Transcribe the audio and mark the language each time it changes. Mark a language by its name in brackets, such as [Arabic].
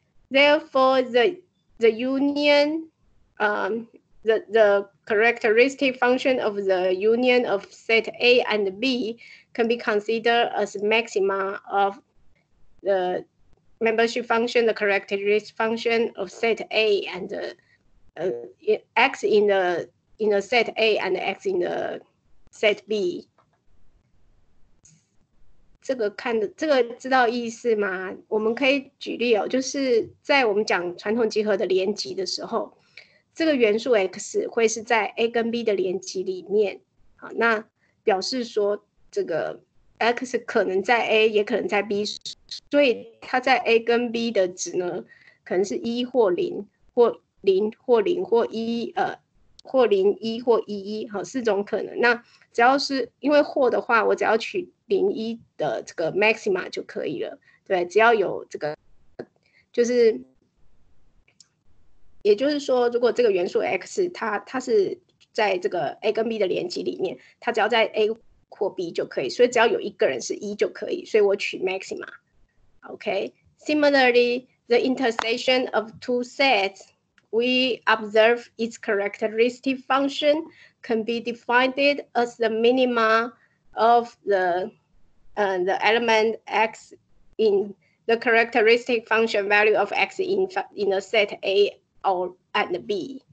[English] Therefore, the union, the characteristic function of the union of set A and B can be considered as maxima of the membership function, the characteristic function of set A and X in the set A and X in the set B. [Chinese] 这个看的，这个知道意思吗？我们可以举例哦，就是在我们讲传统集合的联集的时候，这个元素 X 会是在 A 跟 B 的联集里面。好，那表示说这个X 可能在 A 也可能在 B， 所以它在 A 跟 B 的值呢可能是一或零或零或零或一或零一或一一，好，四种可能。那只要是因为或的话，我只要取零一的这个 maxima 就可以了，对，只要有这个，就是也就是说，如果这个元素 X 它是在这个 A 跟 B 的联集里面，它只要在 A或 B 就可以，所以只要有一个人是一就可以，所以我取 maxima。 [English] Okay, similarly, the intersection of two sets, we observe its characteristic function can be defined as the minima of the element x in the characteristic function value of x in the set A or and B.